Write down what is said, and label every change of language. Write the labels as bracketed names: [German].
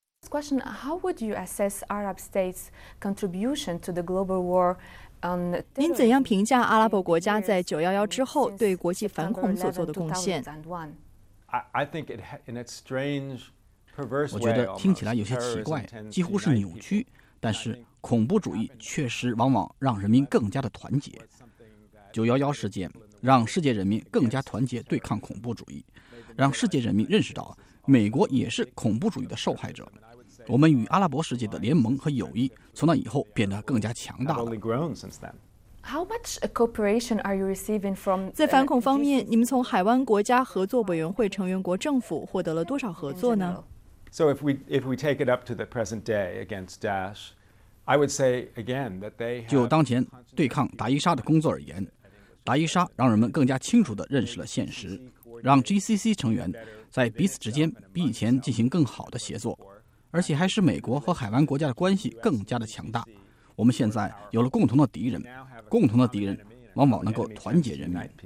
[English] Question: How would you assess Arab states' contribution to the global war? [Chinese] 您怎样评价阿拉伯国家在911之后对国际反恐所做的贡献？ [English] I think it in a strange, perverse way. [Chinese] 我觉得听起来有些奇怪，几乎是扭曲。但是恐怖主义确实往往让人民更加的团结。 911事件让世界人民更加团结对抗恐怖主义，让世界人民认识到美国也是恐怖主义的受害者。我们与阿拉伯世界的联盟和友谊从那以后变得更加强大了。在反恐方面，你们从海湾国家合作委员会成员国政府获得了多少合作呢？ [English] So if we take it up to the present day against Daesh, I would say again that they [Chinese] 就当前对抗达伊沙的工作而言，达伊沙让人们更加清楚地认识了现实，让 GCC 成员在彼此之间比以前进行更好的协作，而且还使美国和海湾国家的关系更加的强大。我们现在有了共同的敌人，共同的敌人往往能够团结人民。